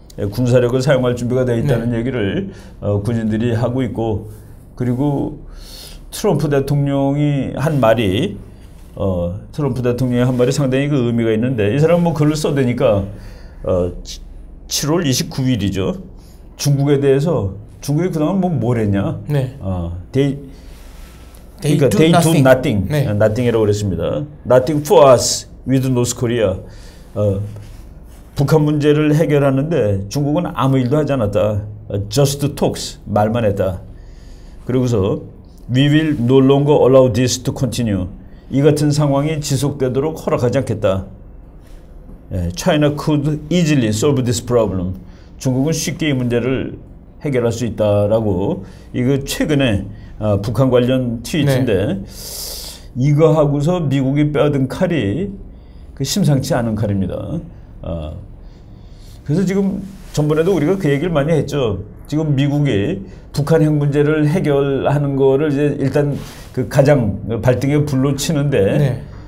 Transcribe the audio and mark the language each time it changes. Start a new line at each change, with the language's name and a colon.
Korean: 군사력을 사용할 준비가 되어 있다는 네. 얘기를 군인들이 하고 있고 그리고 트럼프 대통령이 한 말이 트럼프 대통령이 한 말이 상당히 그 의미가 있는데 이 사람은 뭐 글을 써대니까 7월 29일이죠. 중국에 대해서 중국이 그동안 뭐뭘 했냐? 네.
English: They do nothing.
Korean: Nothing이라고 그랬습니다.
English: Nothing for us with North Korea.
Korean: 북한 문제를 해결하는데 중국은 아무 일도 하지 않았다.
English: Just talks.
Korean: 말만 했다.
English: 그리고서 We will no longer allow this to continue.
Korean: 이 같은 상황이 지속되도록 허락하지 않겠다.
English: China could easily solve this problem.
Korean: 중국은 쉽게 이 문제를 해결할 수 있다라고 이거 최근에 북한 관련 트윗인데 네. 이거 하고서 미국이 빼앗은 칼이 그 심상치 않은 칼입니다. 그래서 지금 전번에도 우리가 그 얘기를 많이 했죠. 지금 미국이 북한 핵 문제를 해결하는 거를 이제 일단 그 가장 발등에 불로 치는데 네.